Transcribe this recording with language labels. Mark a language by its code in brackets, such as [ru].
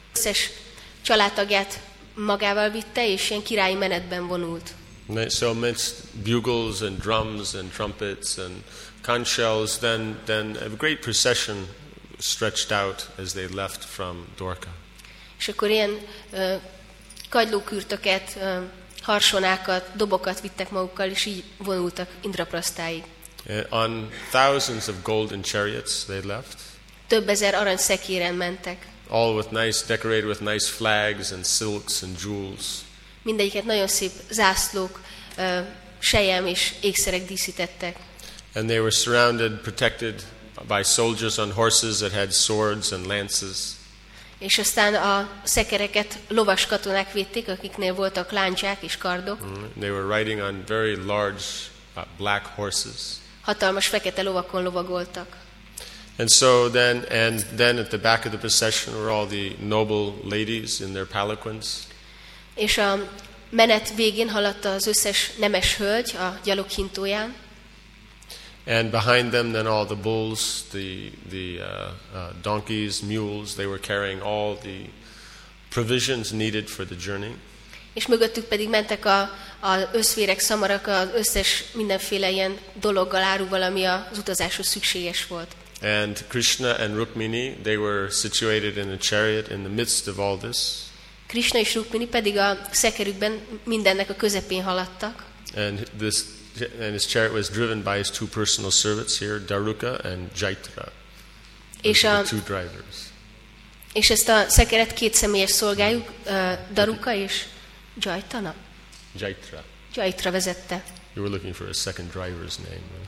[hu] Összes családtagját magával vitte, és ilyen királyi menetben vonult. [en] So amidst bugles and drums and trumpets and conch shells, then a great procession stretched out as they left from Dwarka. [hu] És akkor ilyen kagylókürtöket, harsonákat, dobokat vittek magukkal, és így vonultak Indraprasztáig. [en] On thousands of golden chariots they left. [hu] Több ezer arany szekéren mentek. [en] All with nice, decorated with nice flags and silks and jewels. [hu] Mindegyiket nagyon szép zászlók, sejem és ékszerek díszítettek. [en] And they were surrounded, protected by soldiers on horses that had swords and lances. [hu] És aztán a szekereket lovas katonák védték, akiknél voltak láncsák és kardok. [en] They were riding on very large black horses. [hu] Hatalmas fekete lovakon lovagoltak. [en] And then at the back of the procession were all the noble ladies in their palanquins. [hu] És a menet végén haladta az összes nemes hölgy a gyaloghintóján. [en] And behind them then all the bulls, the donkeys, mules, they were carrying all the provisions needed for the journey. [hu] És mögöttük pedig mentek az összvérek, szamarak, az összes mindenféle ilyen dologgal, áruval, ami az utazáshoz szükséges volt. [en] And Krishna and Rukmini, they were situated in a chariot in the midst of all this. [hu] Krishna és Rukmini pedig a szekerükben mindennek a közepén haladtak. [en] And his chariot was driven by his two personal servants here, Daruka and Jaitra. [hu] És a [en] two drivers. [hu] És ezt a szekeret két személyes szolgájuk, Daruka és Jaitana. Jaitra. Jaitra vezette. [en] You were looking for a second driver's name.